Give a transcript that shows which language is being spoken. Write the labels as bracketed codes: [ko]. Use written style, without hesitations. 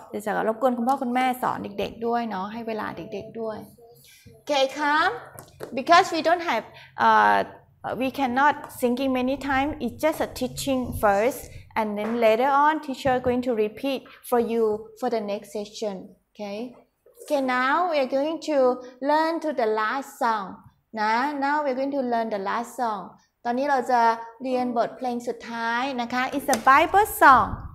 [th] จะรบกวนคุณพ่อคุณแม่สอนเด็กๆด้วยเนาะให้เวลาเด็กๆด้วยโอเคครับ [en] because we don't have we cannot singing many times it's just a teaching first and then later on teacher going to repeat for you for the next session okayOkay, now we are going to learn to the last song. Nah, now we are going to learn the last song. [th] ตอนนี้เราจะเรียนบทเพลงสุดท้ายนะคะ [en] It's a Bible song.